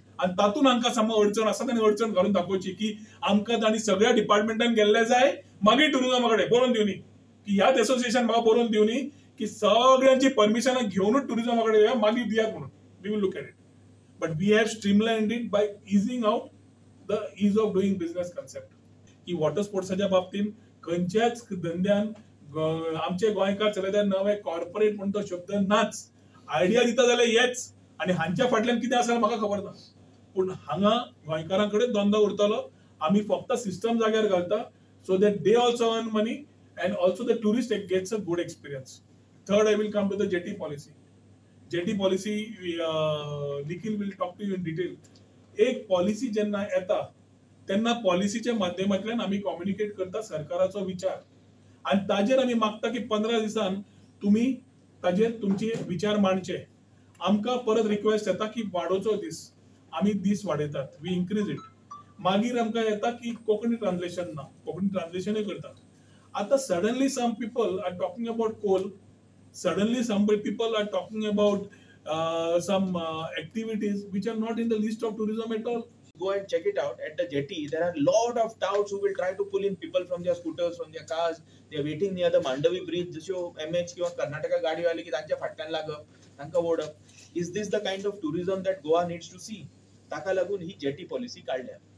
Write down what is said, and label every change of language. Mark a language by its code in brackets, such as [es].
[gom] आणि तातून आमकां समज अडचण असा त्यांनी अडचण घालून दाखोवची की आमकां तांणी सगळ्या डिपार्टमेंटान गेल्ले जाय, मागीर टुरिजमा कडेन बरोवन दिवनी की ह्याच असोसिएशन म्हाका बरोवन दिवनी की सगळ्यांची परमिशन घेऊनच टुरिजमा कडेन येवया मागीर दिया म्हणून. [en] We will look at it but we have streamlined it by easing out the ease of doing business concept. [gom] की वॉटर स्पोर्ट्साच्या बाबतीत खंयच्याच धंद्यान आमचे गोंयकार चलयता नवे कॉर्पोरेट म्हणून तो शब्द नाच. आयडिया दिता जाल्यार येच आनी हांच्या फाटल्यान कितें आसा म्हाका खबर ना, पूण हांगा गोंयकारां कडेन धंदो उरतलो. आमी फक्त सिस्टम जाग्यार घालता [en] So that they also earn money and also the tourist gets a good experience. Third I will come to the jetty policy. Jetty policy Nikhil will talk to you in detail. [gom] एक policy जेन्ना येता तेन्ना पॉलिसीच्या माध्यमातल्यान आमी communicate करता सरकाराचो विचार आणि ताजेर आमी मागता की 15 दिसान तुम्ही ताजेर तुमचे विचार मांडचे. आमकां परत रिक्वेस्ट येता की वाडोवचो दीस, आमी दीस वाडयतात, [en] We increase it. [gom] मागीर आमकां येता की कोंकणी ट्रान्सलेशन ना, कोंकणी ट्रान्सलेशनूय करतात. [en] आतां suddenly some people are talking about coal, suddenly some people are talking about some activities which are not in the list of tourism at all. Go and check it out at the jetty. There are a lot of touts who will try to pull in people from their scooters, from their cars. They are waiting near the Mandavi Bridge. [gom] Jasyo MHQ or Karnataka gaadi wale ki tancha phatan lagap, tanka vodap. [en] Is this the kind of tourism that Goa needs to see? [gom] Taka lagun hi jetty policy kaadla.